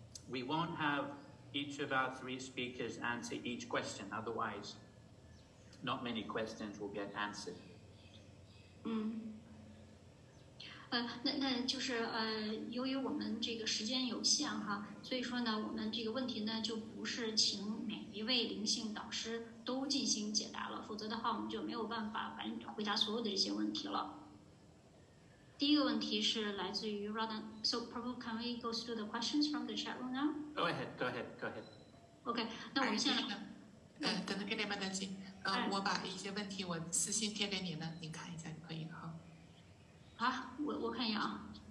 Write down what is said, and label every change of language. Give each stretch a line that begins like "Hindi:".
English: We won't have each of our three speakers answer each question, otherwise not many questions will get answered.
Chinese: 那就是由于我们这个时间有限哈，所以说呢，我们这个问题呢就不是请每一位灵性导师都进行解答了，否则的话我们就没有办法回答所有的这些问题了。第一个问题是来自于 Rodan.
English: So, Prabhu, can we go through the questions from the chat room now? Go ahead.
Chinese: Okay, 那我们先来。等等，给你慢点进。我把一些问题我私信贴给你了，你看一下就可以了哈。好，我看一下啊。